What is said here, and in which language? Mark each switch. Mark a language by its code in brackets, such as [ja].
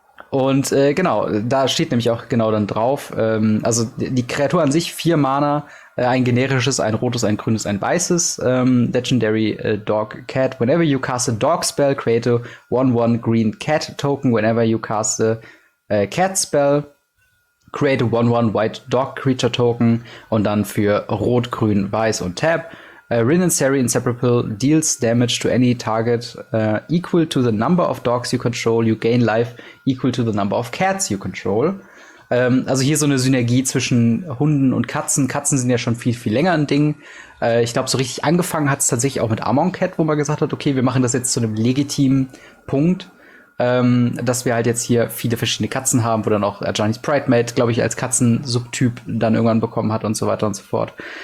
[de] Und genau, da steht nämlich auch genau dann drauf. Also die Kreatur an sich, 4 Mana, ein generisches, ein rotes, ein grünes, ein weißes. [en] Legendary Dog Cat. Whenever you cast a Dog Spell, create a 1-1 Green Cat Token. Whenever you cast a Cat Spell, create a 1-1 White Dog Creature Token. [de] Und dann für rot, grün, weiß und Tap. [en] Rin Ansari Inseparable deals damage to any target equal to the number of dogs you control. You gain life equal to the number of cats you control. [de] Also hier so eine Synergie zwischen Hunden und Katzen. Katzen sind ja schon viel, viel länger ein Ding. Ich glaube, so richtig angefangen hat es tatsächlich auch mit Amon Cat, wo man gesagt hat, okay, wir machen das jetzt zu einem legitimen Punkt, dass wir halt jetzt hier viele verschiedene Katzen haben, wo dann auch Ajani's Pride Mate, glaube ich, als Katzensubtyp dann irgendwann bekommen hat und so weiter und so fort.